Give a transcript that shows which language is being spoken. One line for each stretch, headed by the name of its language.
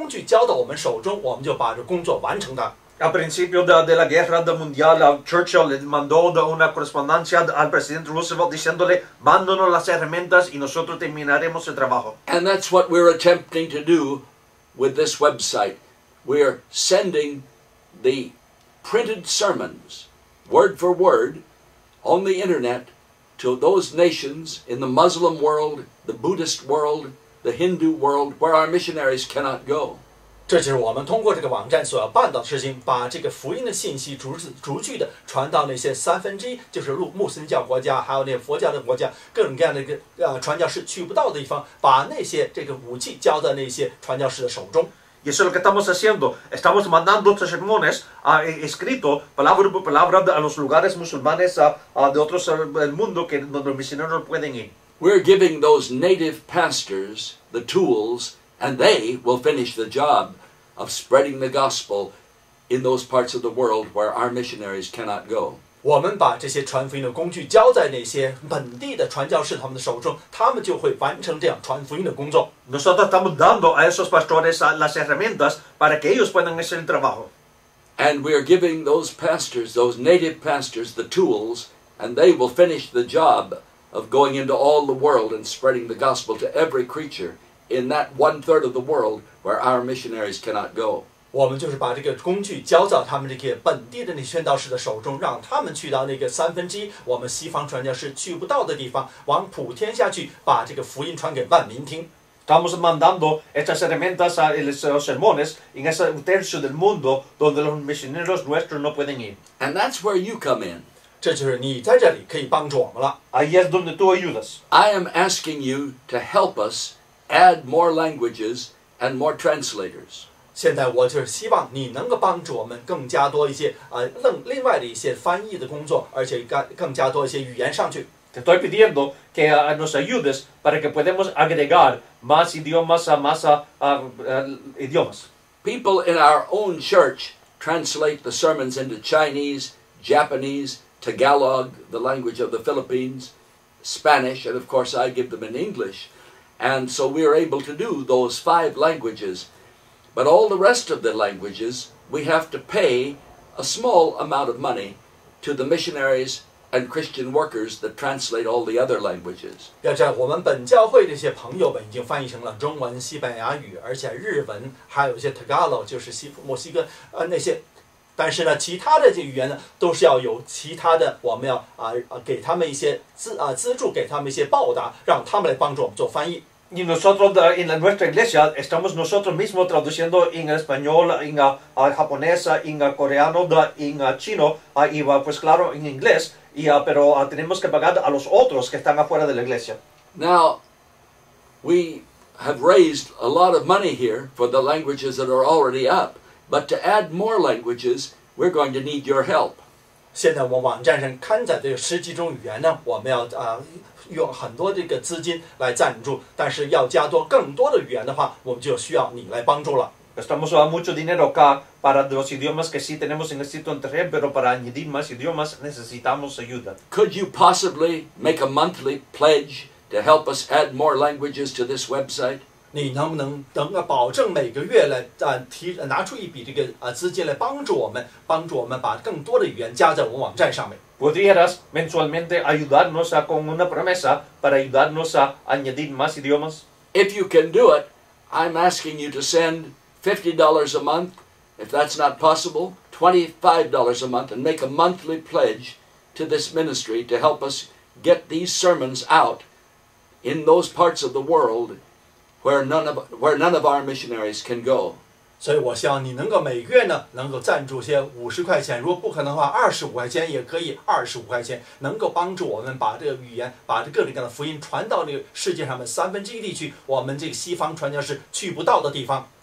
Chinese: 第二次世界大战开始的时候，Winston Churchill曾经发了一个信息，传给这美国的总统罗斯福，这样祈求到说：“请你们把工具交到我们手中，我们就把这工作完成的。”A
Spanish: principio de la guerra mundial, Churchill le mandó una correspondencia al presidente Roosevelt diciéndole: "Mándanos las herramientas y nosotros terminaremos el trabajo."
English: And that's what we're attempting to do with this website. We're sending the printed sermons, word for word, on the internet to those nations in the Muslim world, the Buddhist world, the Hindu world, where our missionaries cannot go.
Chinese: 这就是我们通过这个网站所要办到的事情，把这个福音的信息逐句的传到那些三分之一，就是穆斯林教国家，还有那佛教的国家，各种各样的传教士去不到的地方，把那些这个武器交到那些传教士的手中。
Spanish: Y eso es lo que estamos haciendo. Estamos mandando estos sermones escritos palabra por palabra a los lugares musulmanes de otros del mundo que donde los misioneros no pueden ir.
English: We're giving those native pastors the tools, and they will finish the job of spreading the gospel in those parts of the world where our missionaries cannot go.
Chinese: 我们把这些传福音的工具交在那些本地的传教士他们的手中，他们就会完成这样传福音的工作。
Spanish: Nosotros estamos dando a esos pastores las herramientas para que ellos puedan hacer el trabajo.
English: And we are giving those pastors, those native pastors, the tools, and they will finish the job of going into all the world and spreading the gospel to every creature in that one third of the world where our missionaries cannot go.
Chinese: 我们就是把这个工具交到他们这个本地的那宣道士的手中，让他们去到那个三分之一我们西方传教士去不到的地方，往普天下去把这个福音传给万民听。
Spanish: Estamos mandando estas herramientas a los sermones en ese tercio del mundo donde los misioneros nuestros no pueden ir.
English: And that's where you come in.
Chinese: 这就是你在这里可以帮助我们了。
Spanish: Ahí es donde tú ayudas.
English: I am asking you to help us add more languages and more translators.
Chinese: 现在我就是希望你能够帮助我们更加多一些另外的一些翻译的工作，而且更加多一些语言上去。
Spanish: Te estoy pidiendo que nos ayudes para que podamos agregar más idiomas a más idiomas.
English: People in our own church translate the sermons into Chinese, Japanese, Tagalog, the language of the Philippines, Spanish, and of course I give them in English. And so we are able to do those five languages. But all the rest of the languages, we have to pay a small amount of money to the missionaries and Christian workers that translate all the other languages.
Chinese: 要知道，我们本教会这些朋友们已经翻译成了中文、西班牙语，而且日文，还有一些 Tagalog， 就是墨西哥那些。但是呢，其他的这语言呢，都是要有其他的，我们要给他们一些资助，给他们一些报答，让他们来帮助我们做翻译。
Spanish: Y nosotros en nuestra iglesia estamos nosotros mismos traduciendo en español, en japonés, en coreano, en chino, y pues claro, en inglés, pero tenemos que pagar a los otros que están afuera de la iglesia.
English: Now, we have raised a lot of money here for the languages that are already up, but to add more languages, we're going to need your help.
Chinese: 现在我们网站上刊载的十几种语言呢，我们要用很多这个资金来赞助，但是要加多更多的语言的话，我们就需要你来帮助了。
Spanish: Estamos usando mucho dinero acá para los idiomas que sí tenemos en el sitio internet, pero para añadir más idiomas necesitamos ayuda.
English: Could you possibly make a monthly pledge to help us add more languages to this website?
Chinese: 你能不能保证每个月来拿出一笔这个资金来帮助我们，帮助我们把更多的语言加在我们网站上面？
Spanish: ¿Podrías mensualmente ayudarnos con una promesa para ayudarnos a añadir más idiomas?
English: If you can do it, I'm asking you to send $50 a month. If that's not possible, $25 a month and make a monthly pledge to this ministry to help us get these sermons out in those parts of the world where none of our missionaries can go.
Chinese: 所以我希望你能够每个月呢，能够赞助些50块钱，如果不可能的话，25块钱也可以，25块钱能够帮助我们把这个语言，把这各种各样的福音传到这个世界上面三分之一地区，我们这个西方传教士去不到的地方。